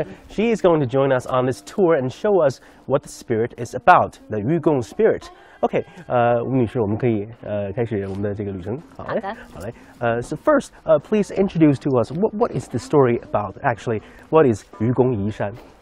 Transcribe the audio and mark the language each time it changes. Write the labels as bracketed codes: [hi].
[en] She is going to join us on this tour and show us what the spirit is about, the Yugong spirit. [zh] Okay, 吴女士, 我们可以, 开始我们的这个旅程, 好嘞, 好嘞, [en] so first, please introduce to us what is the story about, actually, what is 愚公移山?